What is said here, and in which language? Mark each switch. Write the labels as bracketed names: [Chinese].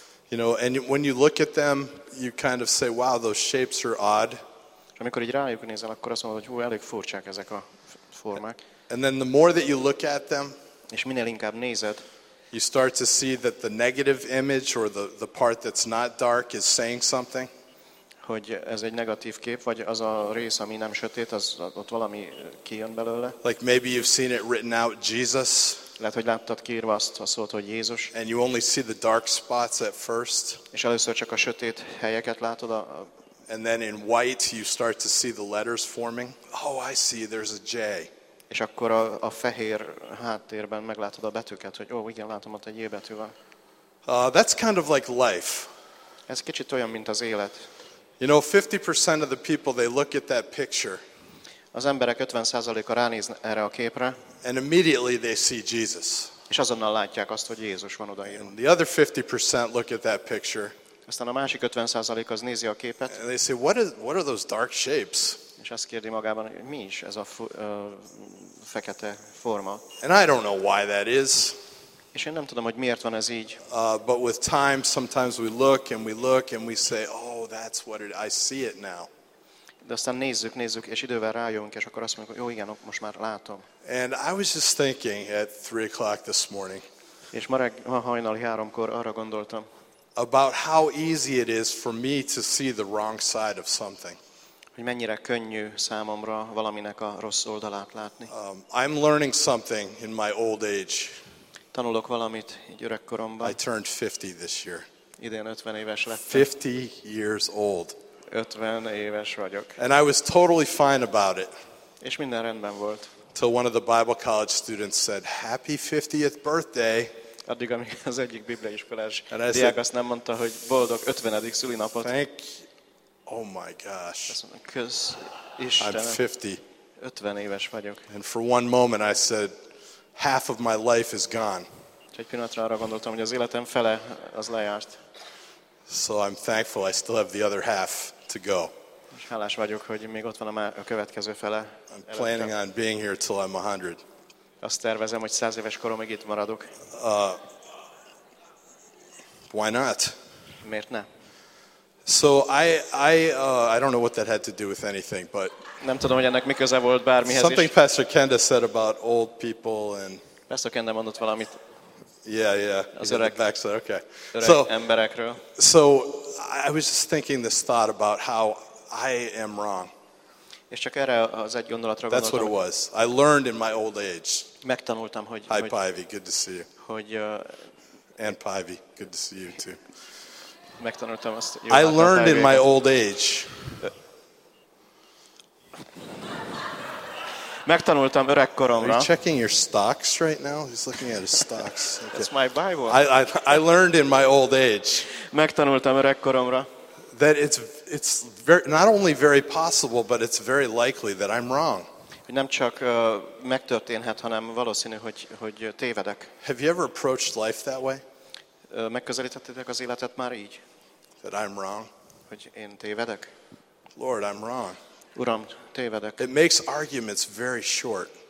[English] You know, and when you look at them, you kind of say, wow, those shapes are odd. [Hungarian] Amikor így rájuk nézel, akkor azt mondod, hogy hú, elég furcsák ezek a formák. [English] And then the more that you look at them, [Hungarian] és minél inkább nézed, [English] you start to see that the negative image or the part that's not dark is saying something. [Hungarian] Hogy ez egy negatív kép, vagy az a rész, ami nem sötét, az ott valami kijön belőle. [English] Like maybe you've seen it written out, Jesus. [Hungarian] Lehet, hogy láttad kiírva azt a szót, hogy Jézus. [English] And you only see the dark spots at first. [Hungarian] És először csak a sötét helyeket látod. [English] And then in white you start to see the letters forming. Oh, I see, there's a J. [Hungarian] És akkor a fehér háttérben meglátod a betűket, hogy ó, igen, látom, ott egy J betű van. [English] That's kind of like life. [Hungarian] Ez kicsit olyan, mint az élet. [English] You know, 50% of the people, they look at that picture. [Hungarian] Az emberek 50%-a ránéz erre a képre. [English] And immediately they see Jesus. [Hungarian] És azonnal látják azt, hogy Jézus van odaírva. [English] And the other 50% look at that picture. [Hungarian] Aztán a másik 50% az nézi a képet. [English] And they say, what are those dark shapes? [Hungarian] És azt kérdi magában, hogy mi is ez a fekete forma. [English] And I don't know why that is. [Hungarian] És én nem tudom, hogy miért van ez így. [English] But with time, sometimes we look and we look and we say, oh, that's what it, I see it now. [Hungarian] De aztán nézzük, és idővel rájövünk, és akkor azt mondjuk, hogy jó, igen, most már látom. [English] And I was just thinking at 3:00 this morning. [Hungarian] És ma reggel hajnali 3-kor arra gondoltam. [English] About how easy it is for me to see the wrong side of something. [Hungarian] Hogy mennyire könnyű számomra valaminek a rossz oldalát látni. [English] I'm learning something in my old age. [Hungarian] Tanulok valamit így öregkoromban. [English] I turned 50 this year. [Hungarian] Idén 50 éves lettem. [English] 50 years old. [Hungarian] 50 éves vagyok. [English] And I was totally fine about it. [Hungarian] És minden rendben volt. [English] Till one of the Bible college students said, "Happy 50th birthday." [Hungarian] Addig, amíg az egyik bibliaiskolás diák azt nem mondta, hogy boldog 50. Szülinapot. [English] Thank you. Oh my gosh. [Hungarian] Köszönöm. [English] I'm 50. [Hungarian] 50 éves vagyok. [English] And for one moment I said, half of my life is gone. [Hungarian] Egy pillanatra arra gondoltam, hogy az életem fele az lejárt. [English] So I'm thankful I still have the other half to go. [Hungarian] Hálás vagyok, hogy még ott van a következő fele. [English] I'm planning on being here till I'm 100. [Hungarian] Azt tervezem, hogy 100 éves koromig itt maradok. [English] Why not? [Hungarian] Miért ne? [English] So I don't know what that had to do with anything, but [Hungarian] nem tudom, hogy ennek mi köze volt bármihez. [English] Something Pastor Kenda said about old people and [Hungarian] Pastor Kenda mondott valamit. [English] Yeah. [Hungarian] Öreg, [English] back there. Okay. [Hungarian] So emberekről. [English] So I was just thinking this thought about how I am wrong. [Hungarian] És csak erre az egy gondolatra gondoltam. [English] That's what it was. I learned in my old age. [Hungarian] Megtanultam, hogy [English] Hi, Pivy, good to see you. [Hungarian] Hogy [English] and Pivy, good to see you too. [Hungarian] Megtanultam azt. [English] I learned in my old age. [Hungarian] Megtanultam öregkoromra. [English] Are you checking your stocks right now? He's looking at his stocks. Okay. That's my Bible. I learned in my old age. [Hungarian] Megtanultam öregkoromra. [English] That it's very, not only very possible, but it's very likely that I'm wrong. [Hungarian] Nem csak megtörténhet, hanem valószínű, hogy tévedek. [English] Have you ever approached life that way? [Hungarian] Megközelítettétek az életet már így? [English] That I'm wrong. [Hungarian] Hogy én tévedek? [English] Lord, I'm wrong. [Hungarian] Uram, tévedek. [English] It makes arguments very short.